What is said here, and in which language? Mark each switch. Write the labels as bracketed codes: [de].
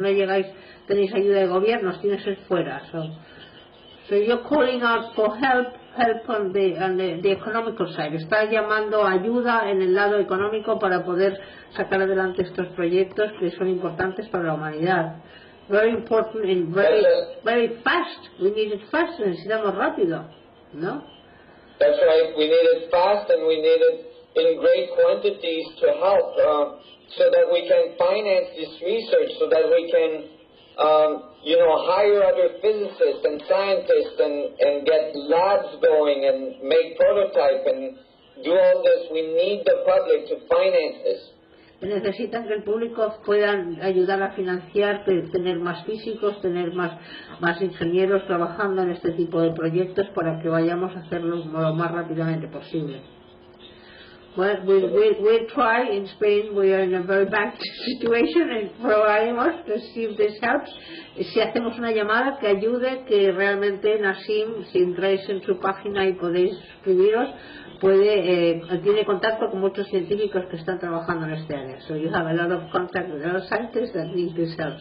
[es] No llegáis, tenéis ayuda de gobiernos, tienes que ser fuera. [en] So you're calling out for help on the economical side. [es] Está llamando ayuda en el lado económico para poder sacar adelante estos proyectos que son importantes para la humanidad. [en] Very important and very, very fast. We need it fast. [es] Necesitamos rápido, ¿no? [en] That's right. We need it fast and we need it in great quantities to help, so that we can finance this research, so that we can hire other physicists and scientists and get labs going and make prototype and do all this. We need the public to finance this. [es] Necesitan que el público puedan ayudar a financiar, tener más físicos, tener más ingenieros trabajando en este tipo de proyectos para que vayamos a hacerlo lo más rápidamente posible. [en] Well, we'll try in Spain. We are in a very bad situation, and [es] probaremos [en] to see if this helps. [es] Si hacemos una llamada que ayude, que realmente Nassim, si entráis en su página y podéis suscribiros, tiene contacto con muchos científicos que están trabajando en este área. [en] So you have a lot of contact with other scientists that need this help.